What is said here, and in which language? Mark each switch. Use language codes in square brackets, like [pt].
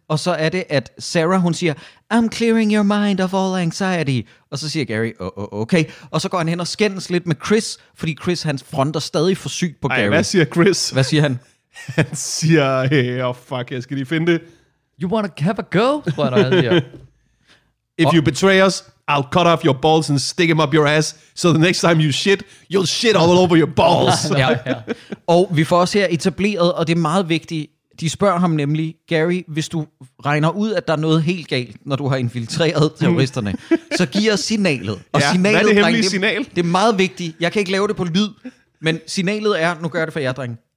[da] Og så er det, at Sarah, hun siger, [en] I'm clearing your mind of all anxiety. [da] Og så siger Gary, okay. Og så går han hen og skændes lidt med Chris, fordi Chris, han fronter stadig for sygt på Gary. Ej, hvad siger Chris? Hvad siger han? Han siger, hey, oh fuck, jeg skal lige finde det. [en] You wanna have a go? If you betray us, I'll cut off your balls and stick them up your ass, so the next time you shit, you'll shit all over your balls. [da] Ja. Og vi får også her etableret, og det er meget vigtigt, de spørger ham nemlig, Gary, hvis du regner ud, at der er noget helt galt, når du har infiltreret terroristerne, så giv os signalet. Og signalet, hvad er det hemmelige dreng, signal? Det er meget vigtigt. Jeg kan ikke lave det på lyd, men signalet er, nu gør det for jer, drenge.